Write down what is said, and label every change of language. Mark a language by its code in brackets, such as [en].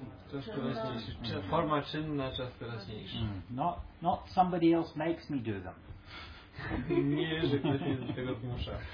[pl] Czas teraźniejszy. Forma czynna, czas teraźniejszy. [en] Not somebody else makes me do them. [pl] Nie, że ktoś mnie do tego zmusza.